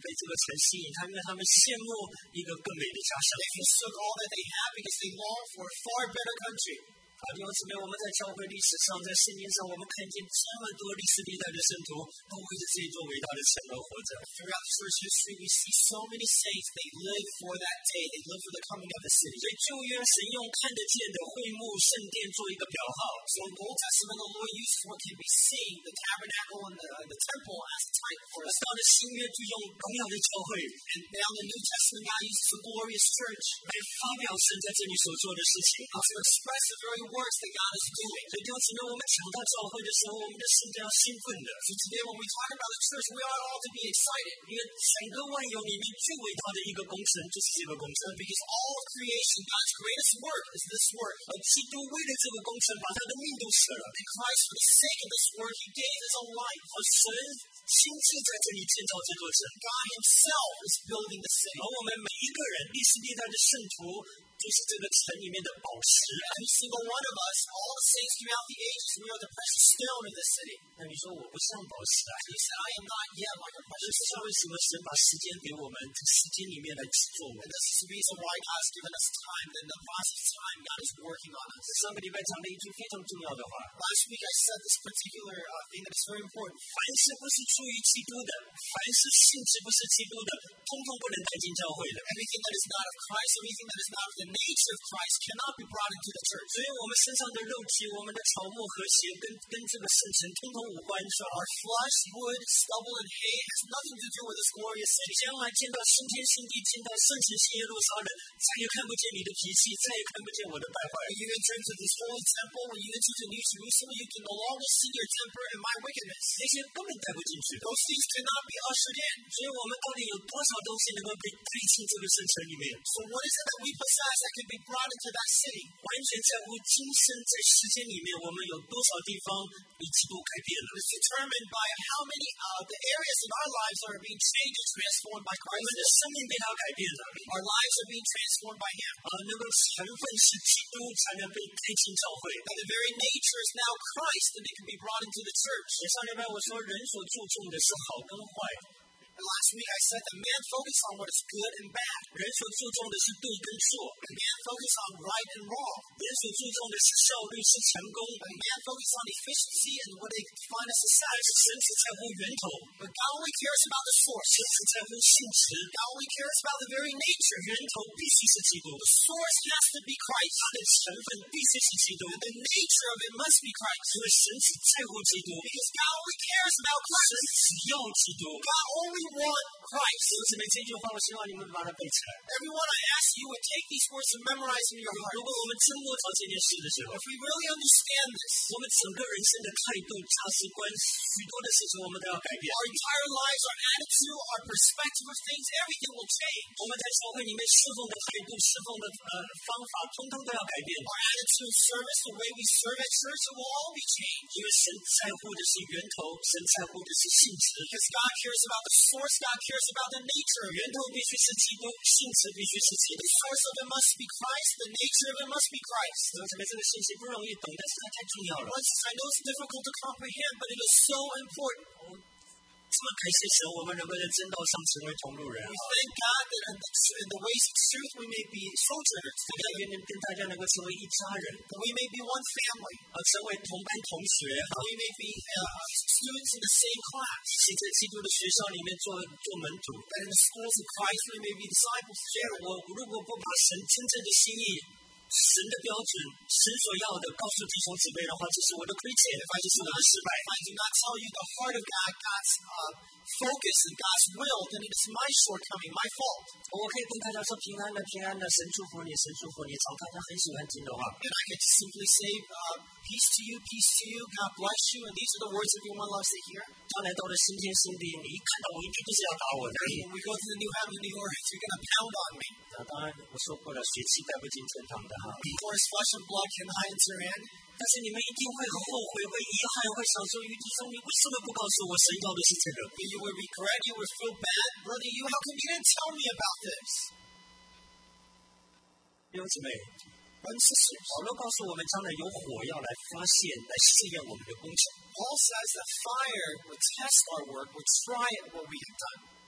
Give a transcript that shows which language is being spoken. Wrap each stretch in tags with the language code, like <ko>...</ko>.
<zh>个城吸引他们，他们羡慕一个更美的家乡。</zh> <en>They forsook all that they have because they long for a far better country.</en> <zh>好，弟兄姊妹，我们在教会历史上，在圣经上，我们看见这么多历史历代的圣徒，都为着这座伟大的城而活着。</zh> <en>Throughout the church history, we see so many saints. They live for that day. They live for the coming of the city.</en> <zh>所以旧约神用看得见的会幕圣殿做一个标号。</zh> <en>So in Old Testament, the Lord used what can be seen, the tabernacle and the temple as a type for us.</en> <zh>到了新约就用荣耀的教会。</zh> <en>And now the New Testament now uses the glorious church.</en> <zh>来发表神在这里所做的事情。</zh> <en>To express the very works that God is doing.</en> <zh>所以当时呢，我们想到教会的时候，我们的心都要兴奋的。</zh> <en>So today when we talk about the church, we ought all to be excited.</en> <zh>因为整个万有里面最伟大的一个工程就是这个工程。</zh> <en>Because all of creation, God's greatest work is this work.</en> <zh>而基督为了这个工程把他的命都舍了。</zh> <en>And Christ, for the sake of this work, he gave his own life.</en> <zh>而神亲自在这里建造这座城。</zh> <en>God himself is building the city.</en> <zh>而我们每一个人，历史历代的圣徒就是这个城里面的宝石。</zh> <en>Every single one of us, all the saints throughout the ages, we are the precious stone in the city.</en> <zh>那你说我不像宝石啊？</zh> <en>He said, I am not yet like a precious stone.</en> <zh>这是为什么神把时间给我们，在时间里面来制作我们。</zh> <en>And this is the reason why God has given us time, and the process of time God is working on us.</en> <zh>上个礼拜讲了一句非常重要的话。</zh> <en>Last week I said this particular thing that is very important.</en> <zh>凡事不是出于基督的，凡事性质不是基督的，通通不能带进教会的。</zh> <en>Everything that is not of Christ, everything that is not of the nature of Christ cannot be brought into the church.</en> <zh>所以我们身上的肉体，我们的草木和血，跟这个圣城通通无关。说</zh> <en>our flesh, wood, stubble, and hay has nothing to do with this glorious city.</en> <zh>将来见到新天新地，见到圣城新耶路撒冷，再也看不见你的脾气，再也看不见我的败坏。</zh> <en>When you enter into this holy temple, when you enter into New Jerusalem, you can no longer see your temper and my wickedness.</en> <zh>那些根本带不进去。</zh> <en>Those things cannot be ushered in.</en> <zh>所以我们到底有多少东西能够被带进这个圣城里面？</zh> <en>So what is it that we possess that can be brought into that city?</en> <zh>完全在乎今生在时间里面，我们有多少地方被基督改变了？</zh> <en>It's determined by how many the areas of our lives are being changed and transformed by Christ.</en> <zh>我们的生命被他改变了。</zh> <en>Our lives are being transformed by Him.</en> <zh>那个成分是基督才能被带进教会。</zh> <en>And the very nature is now Christ that it can be brought into the church.</en> <zh>上礼拜我说人所注重的是好跟坏。</zh> <en>Last week I said that man focuses on what is good and bad.</en> <zh>人所注重的是对跟错。</zh> <en>Man focuses on right and wrong.</en> <zh>人所注重的是效率是成功。</zh> <en>Man focuses on efficiency and what they define as success.</en> <zh>神只在乎源头。</zh> <en>But God only cares about the source.</en> <zh>神只在乎性质。</zh> <en>God only cares about the very nature.</en> <zh>源头必须是基督。</zh> <en>The source has to be Christ.</en> <zh>它的成分必须是基督。</zh> <en>The nature of it must be Christ.</en> <zh>因为神只在乎基督。</zh> <en>Because God only cares about Christ.</en> <zh>神只要基督。</zh> <en>God only want Christ.</en> <zh>弟兄姊妹，这句话我希望你们把它背起来。</zh> <en>Everyone, I ask you would take these words and memorize in your heart.</en> <zh>如果我们真悟到这件事的时候，</zh> <en>if we really understand this,</en> <zh>我们整个人生的态度、价值观，许多的事情我们都要改变。</zh> <en>Our entire lives, our attitude, our perspective of things, everything will change.</en> <zh>我们在教会里面侍奉的态度、侍奉的方法，通通都要改变。</zh> <en>Our attitude, service, the way we serve at church, it will all be changed.</en> <zh>因为神在乎的是源头，神在乎的是性质。</zh> <en>Because God cares about the source. God cares about the nature.</en> <zh>源头必须是基督，性质必须是基督。</zh> <en>The source of it must be Christ. The nature of it must be Christ.</en> <zh>弟兄姊妹，这个信息不容易懂，但是它太重要了。</zh> <en>Once I know it's difficult to comprehend, but it is so important.</en> <zh>这么感谢神，我们能够在正道上成为同路人。</zh> <en>We thank God that in the ways of truth we may be soldiers.</en> <zh>大家跟大家能够成为一家人。</zh> <en>That we may be one family.</en> <zh>成为同班同学。</zh> <en>That we may be students in the same class.</en> <zh>一起在基督的学校里面做门徒。</zh> <en>That in the schools of Christ we may be disciples.</en> <zh>虽然我如果不把神真正的心意、神的标准、神所要的告诉弟兄姊妹的话，这是我的亏欠，这是我的失败。</zh> <en>If I do not tell you the heart of God, God's focus and God's will, then it is my shortcoming, my fault.</en> <zh>我可以跟大家说平安的，平安的，神祝福你，神祝福你。找大家很喜欢听的话。</zh> <en>And I can simply say, peace to you, peace to you, God bless you, and these are the words everyone loves to hear.</en> <zh>将来到了新天新地，你一看到我，一定就是要打我的。</zh> <en>When we go to the new heaven, new earth, you're going to pound on me.</en> <zh>当然，我说过了，血气带不进天堂的哈。</zh> <en>Of course, flesh and blood can I enter in.</en> <zh>但是你们一定会后悔，会遗憾，会想说：“于弟兄，你为什么不告诉我神要的是这个？”</zh> <en>You will regret, you will feel bad, brother. You, how come you didn't tell me about this?</en> <zh>弟兄姊妹，本是神，保罗告诉我们，将来有火要来发现，来试验我们的工程。</zh> <en>Paul says that fire will test our work, will try what we have done.</en>